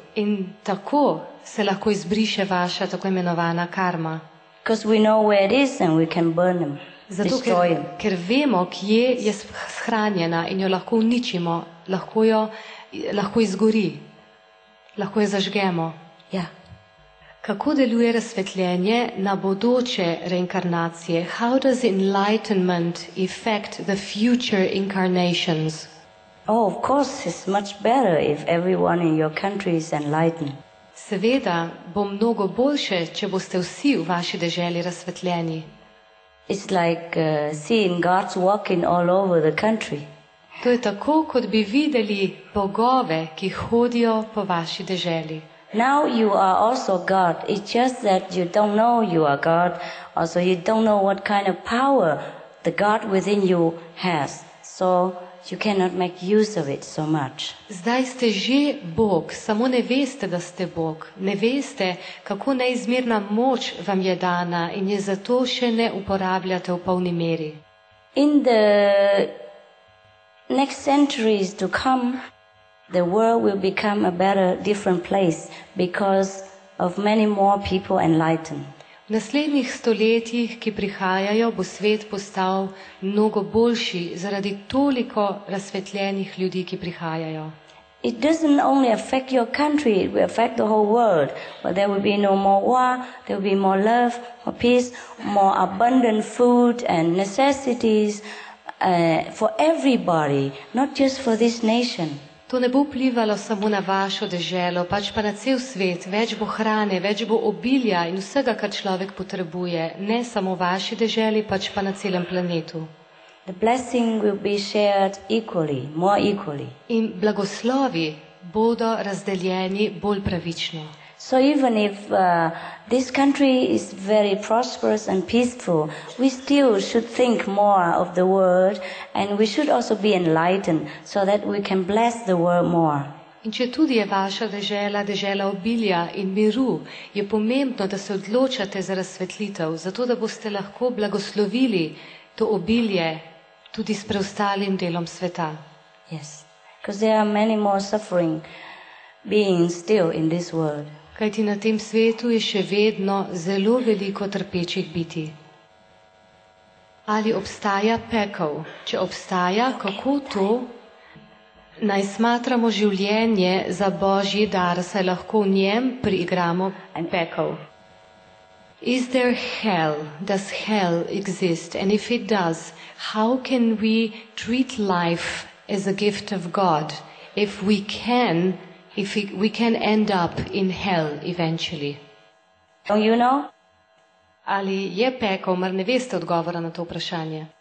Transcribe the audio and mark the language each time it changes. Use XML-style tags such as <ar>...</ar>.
<sl>In tako se lahko izbriše vaša tako imenovana karma.</sl> <en>Because we know where it is and we can burn them.</en> <sl>Zato, ker vemo, kje je shranjena in jo lahko uničimo, lahko izgori, lahko jo zažgemo. Ja. Kako deluje razsvetljenje na bodoče reinkarnacije?</sl> <en>How does enlightenment affect the future incarnations? Oh, of course, it's much better if everyone in your country is enlightened.</en> <sl>Seveda bo mnogo boljše, če boste vsi v vaši deželi razsvetljeni.</sl> <en>It's like seeing God's walking all over the country.</en> <sl>To je tako, kot bi videli bogove, ki hodijo po vaši deželi.</sl> <en>Now you are also God. It's just that you don't know you are God. Also, you don't know what kind of power the God within you has. So you cannot make use of it so much.</en> <sl>Zdaj ste že Bog, samo ne veste, da ste Bog. Ne veste, kako neizmerna moč vam je dana in je zato še ne uporabljate v polni meri.</sl> <en>In the next centuries to come, the world will become a better, different place because of many more people enlightened.</en> <sl>V naslednjih stoletjih, ki prihajajo, bo svet postal mnogo boljši zaradi toliko razsvetljenih ljudi, ki prihajajo.</sl> <en>It doesn't only affect your country, it will affect the whole world. But there will be no more war, there will be more love, more peace, more abundant food and necessities for everybody, not just for this nation.</en> <sl>To ne bo vplivalo samo na vašo deželo, pač pa na cel svet. Več bo hrane, več bo obilja in vsega, kar človek potrebuje. Ne samo vaši deželi, pač pa na celem planetu.</sl> <en>The blessing will be shared equally, more equally.</en> <sl>In blagoslovi bodo razdeljeni bolj pravično.</sl> <en>So even if this country is very prosperous and peaceful, we still should think more of the world and we should also be enlightened so that we can bless the world more.</en> <sl>In če tudi je vaša dežela, dežela obilja in miru, je pomembno, da se odločate za razsvetlitev, zato da boste lahko blagoslovili to obilje tudi s preostalim delom sveta.</sl> <en>Yes, because there are many more suffering being still in this world.</en> <sl>Kajti na tem svetu je še vedno zelo veliko trpečih biti. Ali obstaja pekel? Če obstaja, kako to? Naj smatramo življenje za Božji dar, saj lahko v njem priigramo pekel.</sl> <en>Is there hell? Does hell exist? And if it does, how can we treat life as a gift of God if we can? If we can end up in hell eventually. Don't you know?</en> <sl>Ali je pekel, mar ne veste odgovora na to vprašanje?</sl>